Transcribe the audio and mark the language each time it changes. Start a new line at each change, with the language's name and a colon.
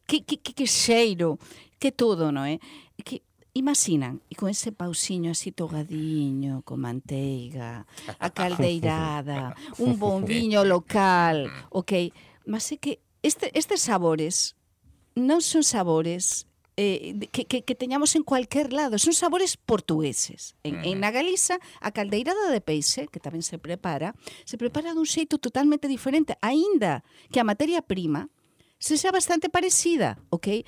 Portuguese: Que cheiro, que tudo, não é? Que, imaginam, e com esse pauzinho assim togadinho, com manteiga, a caldeirada, um bom vinho local, ok? Mas é que estes sabores não são sabores...
Spanish: que teñamos en cualquier lado. Son sabores portugueses.
Galician: En a Galiza, a caldeirada de peixe, que tamén se prepara dun xeito totalmente diferente, aínda que a materia prima se xa bastante parecida, ok?